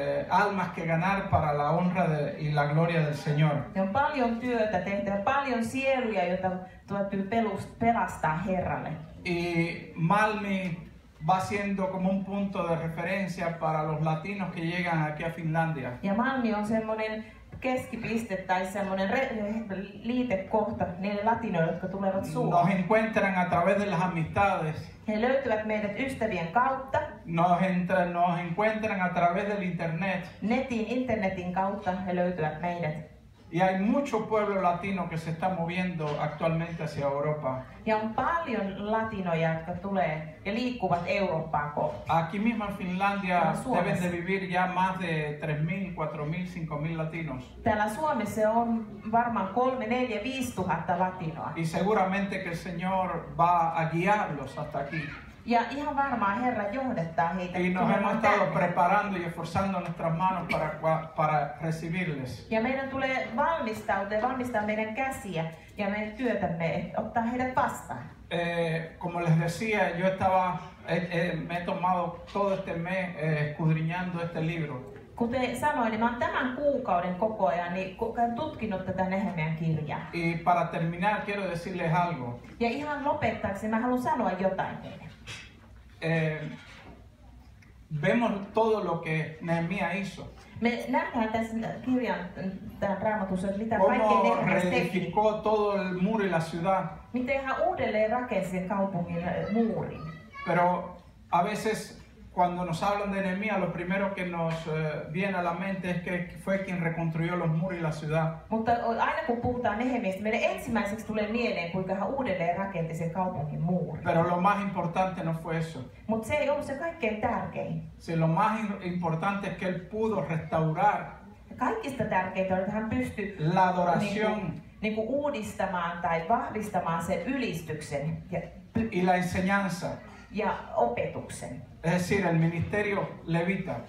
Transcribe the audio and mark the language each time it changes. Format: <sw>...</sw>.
<es>almas que ganar para la honra de, y la gloria del Señor.</es> <fi>On paljon työtä tehdä, paljon sieluja, joita täytyy pelastaa Herralle.</fi> <es>Y Malmi va siendo como un punto de referencia para los latinos que llegan aquí a Finlandia.</es> <fi>Ja Malmi on semmoinen keskipiste tai semmoinen liitekohta niille latinoille, jotka tulevat Suomeen.</fi> <es>Nos encuentran a través de las amistades.</es> <fi>He löytyvät meidät ystävien kautta.</fi> <es>Nos encuentran a través del internet.</es> <fi>Internetin kautta he löytyvät meidät.</fi> <es>Y hay mucho pueblo latino que se está moviendo actualmente hacia Europa.</es> <fi>Ja on paljon latinoja, jotka tulee ja liikkuvat Eurooppaan kohti.</fi> <es>Aquí mismo en Finlandia deben de vivir ya más de 3.000, 4.000, 5.000 latinos.</es> <fi>Täällä Suomessa on varmaan 3, 4, 5.000 latinoa.</fi> <es>Y seguramente que el Señor va a guiarlos hasta aquí.</es> <fi>Ja ihan varmaan Herra johdattaa heitä.</fi> <es>Y nos hemos estado preparando y esforzando nuestras manos para recibirles.</es> <fi>Ja meidän tulee valmistaa meidän käsiä ja meidän työtämme, ottaa heidät vastaan.</fi> <es>Como les decía, yo estaba, me he tomado todo este mes escudriñando este libro.</es> <fi>Kuten sanoin, niin mä oon tämän kuukauden koko ajan niin tutkinut tätä Nehemiän kirjaa.</fi> <es>Y para terminar, quiero decirles algo.</es> <fi>Ja ihan lopettaaksi mä haluan sanoa jotain teille.</fi> <es>Vemos todo lo que Nehemías hizo.</es> <fi>Me nähdään tässä kirjan tämän raamatussa, mitä kaikkea Nehemías teki.</fi> <es>Cómo reedificó todo el muro y la ciudad.</es> <fi>Miten hän uudelleen rakensi kaupungin muurin.</fi> <es>Pero a veces cuando nos hablan de Nehemías, lo primero que nos viene a la mente es que fue quien reconstruyó los muros y la ciudad.</es> <fi>Mutta aina kun puhutaan Nehemiästä, meidän ensimmäiseksi tulee mieleen, kuinka hän uudelleen rakenti sen kaupungin muurin.</fi> <es>Pero lo más importante no fue eso.</es> <fi>Mutta se ei ollut se kaikkein tärkein.</fi> <es>Si lo más importante es que él pudo restaurar.</es> <fi>Kaikista tärkeintä on, että hän pystyi</fi> <es>la adoración,</es> <fi>niin kuin uudistamaan tai vahvistamaan sen ylistyksen.</fi> <es>Y la enseñanza.</es> <fi>Ja opetuksen.</fi> <es>Es decir, el ministerio levita.</es>